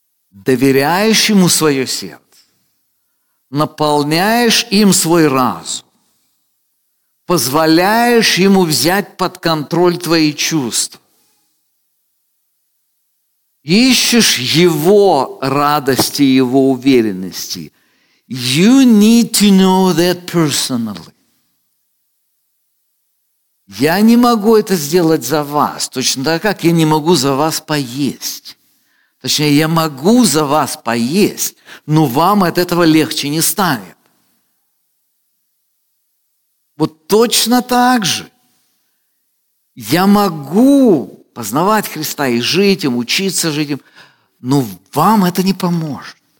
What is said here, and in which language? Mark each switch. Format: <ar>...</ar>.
<ru>доверяешь Ему свое сердце, наполняешь им свой разум, позволяешь ему взять под контроль твои чувства. Ищешь его радости, его уверенности.</ru> <en>You need to know that personally.</en> <ru>Я не могу это сделать за вас, точно так, как я не могу за вас поесть. Точнее, я могу за вас поесть, но вам от этого легче не станет. Вот точно так же я могу познавать Христа и жить им, учиться жить им, но вам это не поможет.</ru>